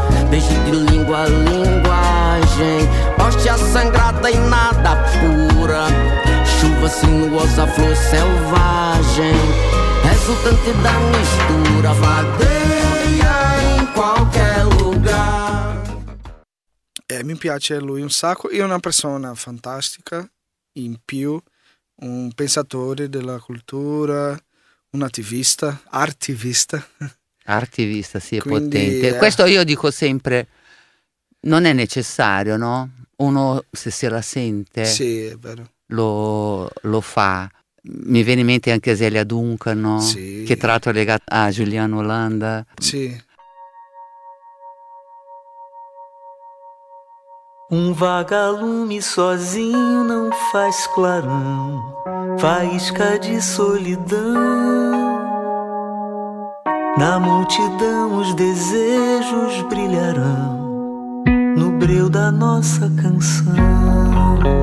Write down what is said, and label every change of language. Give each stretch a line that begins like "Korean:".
Portuguese: Beijo de língua, linguagem. Hóstia sangrada e nada pura. Chuva sinuosa, flor selvagem. Resultante da mistura. Vadeia em qualquer lugar.
Italian: Mi piace lui un sacco. È una persona fantastica. In più, un pensatore della cultura. Un attivista. Artivista. Artivista, sì, è potente. Questo io dico sempre, non è necessario, no? Uno, se se la sente, sì, è vero. Lo fa. Mi viene in mente anche Azelia Duncan, no? Sì. Che tra l'altro è legata a Julian Holanda. Sì.
Portuguese: Um vagalume sozinho não faz clarão, faísca de solidão. Na multidão os desejos brilharão, no breu da nossa canção.